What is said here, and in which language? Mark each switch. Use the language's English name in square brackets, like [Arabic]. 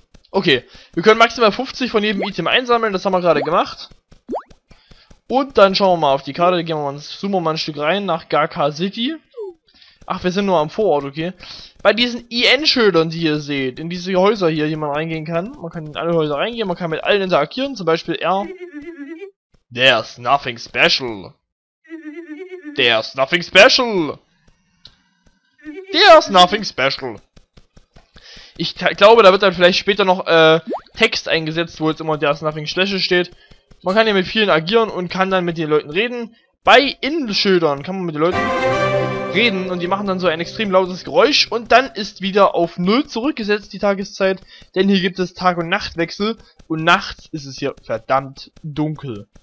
[German] Okay, wir können maximal 50 von jedem Item einsammeln, das haben wir gerade gemacht. Und dann schauen wir mal auf die Karte, gehen wir mal, zoomen wir mal ein Stück rein nach Garka City. Ach, wir sind nur am Vorort, okay. Bei diesen IN-Schildern, die ihr seht, in diese Häuser hier, die man reingehen kann. Man kann in alle Häuser reingehen, man kann mit allen interagieren, zum Beispiel R. [English] There's nothing special. There's nothing special. There's nothing special. [German] Ich glaube, da wird dann vielleicht später noch Text eingesetzt, wo jetzt immer [English] There's nothing special [German] steht. Man kann ja mit vielen agieren und kann dann mit den Leuten reden. Bei Innenschildern kann man mit den Leuten reden und die machen dann so ein extrem lautes Geräusch und dann ist wieder auf Null zurückgesetzt die Tageszeit, denn hier gibt es Tag- und Nachtwechsel und nachts ist es hier verdammt dunkel.